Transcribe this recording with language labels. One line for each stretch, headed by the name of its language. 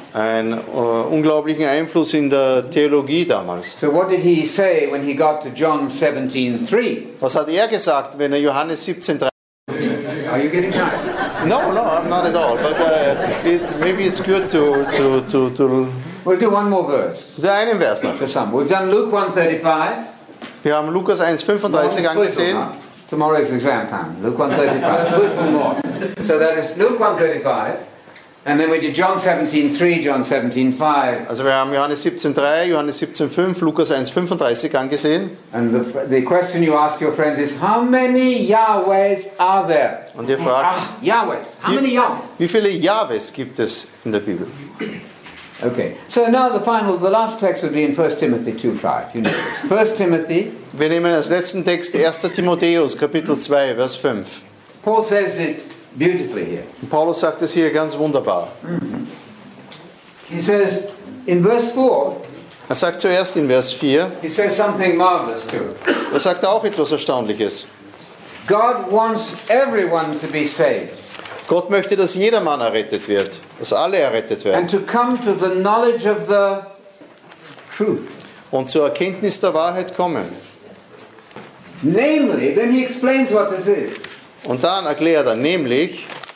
German: Ein unglaublichen Einfluss in der Theologie damals.
English: So what did he say when he got to John 17:3?
German: Was hat er gesagt, wenn er Johannes 17:3?
English: Are you getting tired? No, I'm not at all. But maybe it's good to. We'll do one more verse.
German: Der einen Vers noch.
English: For some, we've done Luke 1:35.
German: Wir haben Lukas 1:35 angesehen.
English: Tomorrow is exam time. Luke 1:35. Good for more. So that is Luke 1:35, and then we did John 17:3, John 17:5.
German: Also wir haben Johannes 17:3, Johannes 17:5, Lukas 1:35 angesehen.
English: And the question you ask your friends is, how many Yahwehs are there?
German: Und ihr fragt,
English: Yahwehs, how many Yahwehs?
German: Wie viele Yahwehs gibt es in der Bibel?
English: Okay, so now the last text would be in 1 Timothy 2:5. You know this. 1 Timothy.
German: Wir nehmen als letzten Text 1. Timotheus, Kapitel 2, Vers 5.
English: Paul says it beautifully here.
German: Und Paulus sagt es hier ganz wunderbar.
English: He says in verse 4.
German: Er sagt zuerst in Vers 4.
English: He says something marvelous too.
German: Er sagt auch etwas Erstaunliches.
English: God wants everyone to be saved.
German: Gott möchte, dass jedermann errettet wird, dass alle errettet werden.
English: And to come to the knowledge of the truth.
German: Und zur Erkenntnis der Wahrheit kommen.
English: Namely, then he explains what this is.
German: Und dann erklärt er, nämlich.